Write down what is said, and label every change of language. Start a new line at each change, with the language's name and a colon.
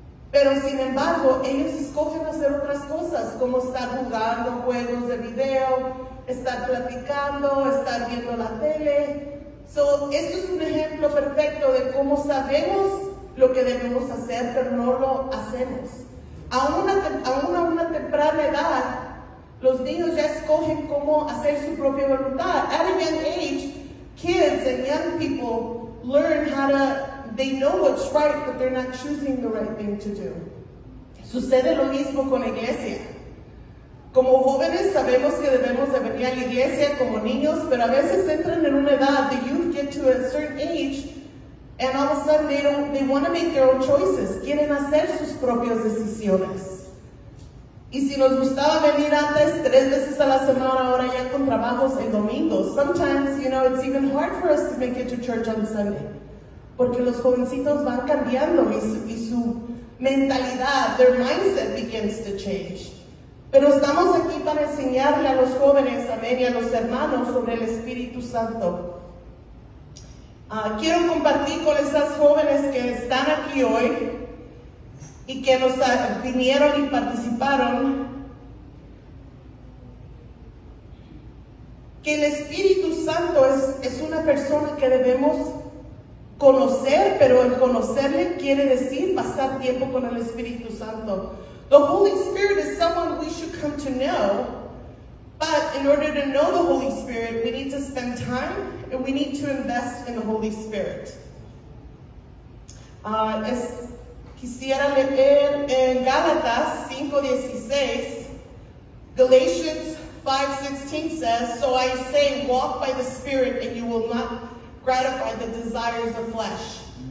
Spanish: Pero sin embargo, ellos escogen hacer otras cosas, como estar jugando juegos de video, estar platicando, estar viendo la tele. So, esto es un ejemplo perfecto de cómo sabemos lo que debemos hacer, pero no lo hacemos. A una temprana edad, los niños ya escogen cómo hacer su propia voluntad.
English: At a young age, kids and young people learn how to, they know what's right, but they're not choosing the right thing to do.
Spanish: Sucede lo mismo con la iglesia. Como jóvenes sabemos que debemos de venir a la iglesia como niños, pero a veces entran en una edad,
English: the youth get to a certain age, and all of a sudden they want to make their own choices.
Spanish: Quieren hacer sus propias decisiones. Y si nos gustaba venir antes tres veces a la semana, ahora ya con trabajos en domingos.
English: Sometimes, you know, it's even hard for us to make it to church on Sunday.
Spanish: Porque los jovencitos van cambiando y su mentalidad,
English: their mindset begins to change.
Spanish: Pero estamos aquí para enseñarle a los jóvenes, amén, y a los hermanos sobre el Espíritu Santo. Quiero compartir con esas jóvenes que están aquí hoy y que nos vinieron y participaron, que el Espíritu Santo es una persona que debemos conocer, pero el conocerle quiere decir pasar tiempo con el Espíritu Santo.
English: The Holy Spirit is someone we should come to know, but in order to know the Holy Spirit, we need to spend time and we need to invest in the Holy Spirit.
Spanish: Quisiera leer en Gálatas 5:16,
English: Galatians 5:16 says, "So I say, walk by the Spirit and you will not gratify the desires of flesh.